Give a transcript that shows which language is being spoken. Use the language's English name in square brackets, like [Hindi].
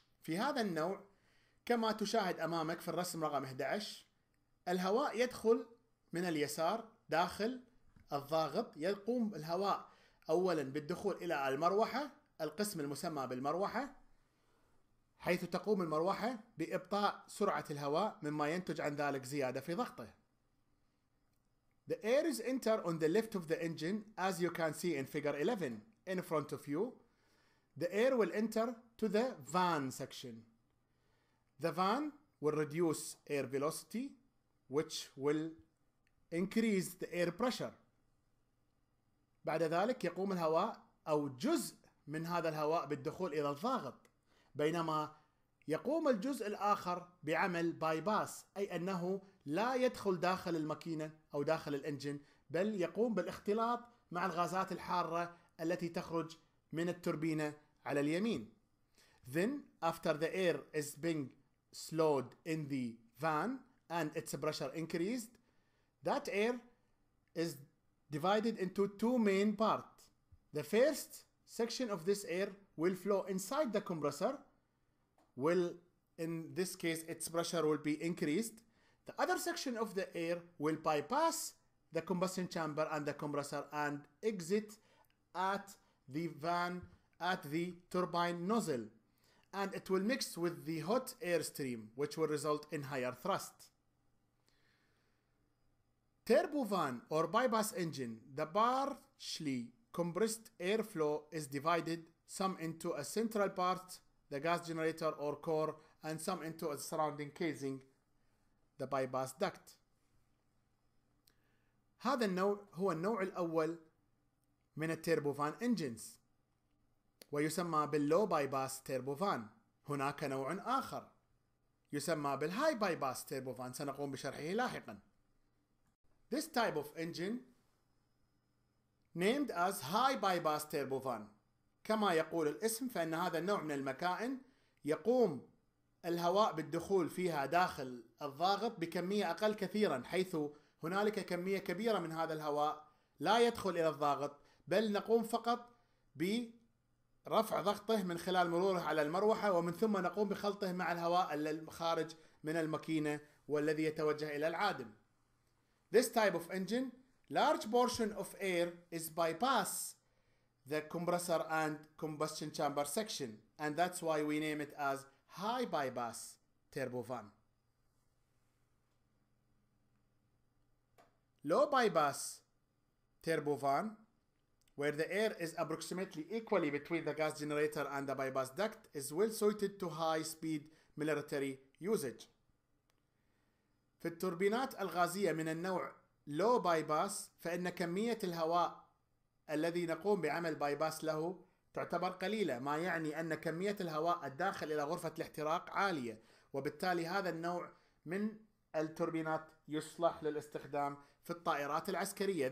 [Arabic] في هذا النوع كما تشاهد أمامك في الرسم رقم 11، الهواء يدخل من اليسار داخل الضاغط، يقوم الهواء أولا بالدخول إلى المروحة، القسم المسمى بالمروحة، حيث تقوم المروحة بإبطاء سرعة الهواء مما ينتج عن ذلك زيادة في ضغطه. [English] The air is enter on the left of the engine as you can see in figure 11 in front of you. The air will enter to the van section. The van will reduce air velocity which will increase the air pressure. [Arabic] بعد ذلك يقوم الهواء أو جزء من هذا الهواء بالدخول إلى الضاغط، بينما يقوم الجزء الآخر بعمل باي باس، أي أنه لا يدخل داخل الماكينة أو داخل الإنجن، بل يقوم بالاختلاط مع الغازات الحارة التي تخرج من التوربينة على اليمين. [English] Then after the air is being slowed in the van and its pressure increased, that air is divided into two main parts. The first section of this air will flow inside the compressor. Well, in this case, its pressure will be increased. The other section of the air will bypass the combustion chamber and the compressor and exit at the van, at the turbine nozzle. And it will mix with the hot air stream, which will result in higher thrust. Turbovan or bypass engine, the partially compressed airflow is divided some into a central part, the gas generator or core, and some into a surrounding casing, the bypass duct. [Arabic] هذا النوع هو النوع الأول من التيربوفان انجنز ويسمى باللو بايباس تيربوفان. هناك نوع آخر يسمى بالهاي بايباس تيربوفان، سنقوم بشرحه لاحقا. [English] This type of engine named as high bypass turbofan. [Arabic] كما يقول الاسم فإن هذا النوع من المكائن يقوم الهواء بالدخول فيها داخل الضاغط بكمية أقل كثيرا، حيث هنالك كمية كبيرة من هذا الهواء لا يدخل إلى الضاغط، بل نقوم فقط برفع ضغطه من خلال مروره على المروحة، ومن ثم نقوم بخلطه مع الهواء الخارج من الماكينة والذي يتوجه إلى العادم. [English] This type of engine, large portion of air is bypassed the compressor and combustion chamber section, and that's why we name it as high bypass turbofan. Low bypass turbofan, where the air is approximately equally between the gas generator and the bypass duct, is well suited to high speed military usage. [Arabic] في التوربينات الغازية من النوع low bypass فإن كمية الهواء الذي نقوم بعمل بايباس له تعتبر قليلة، ما يعني أن كمية الهواء الداخل إلى غرفة الاحتراق عالية، وبالتالي هذا النوع من التوربينات يصلح للاستخدام في الطائرات العسكرية.